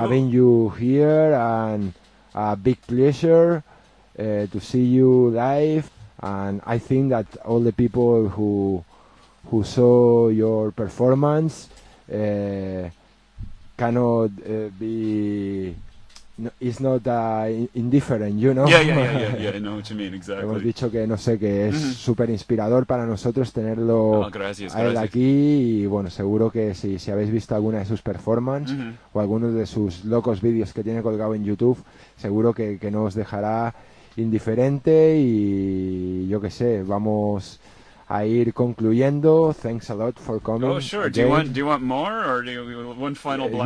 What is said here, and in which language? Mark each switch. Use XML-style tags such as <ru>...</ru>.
<en>Having you here and a big pleasure to see you live, and I think that all the people who saw your performance cannot be is not indifferent, you know? Yeah, I know what you mean, exactly.</en> <es>Hemos dicho que no sé, que es súper inspirador para nosotros tenerlo gracias. Él aquí, y bueno, seguro que si habéis visto alguna de sus performances o algunos de sus locos vídeos que tiene colgado en YouTube, seguro que no os dejará indiferente, y yo qué sé, vamos a ir concluyendo.</es> <en>Thanks a lot for coming. Oh, sure. Again. Do you want more, or do you one final blast?</en>